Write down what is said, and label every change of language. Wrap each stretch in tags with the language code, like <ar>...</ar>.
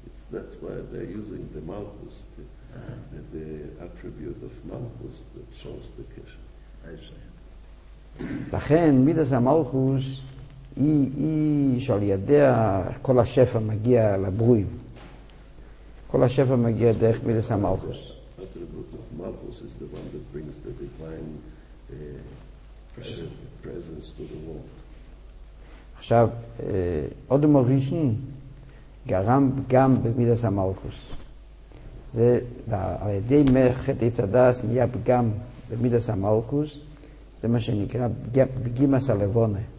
<en>That's why they're using the Malchus, the attribute of Malchus that shows the Keshe.</en> <he>לכן, מידס המלכוס, היא שעל ידיה כל השפע מגיע לברואים. כל השפע מגיע דרך מידס המלכוס.</he> <en>The attribute of Malchus is the one that brings the divine presence to the world.</en> <he>עכשיו, אודם הראשון, גרם גם במידס המלכוס. זה, על ידי חטא עץ הדעת נהיה גם במידס המלכוס, זה מה שנקרא בגימס הלבונה.</he>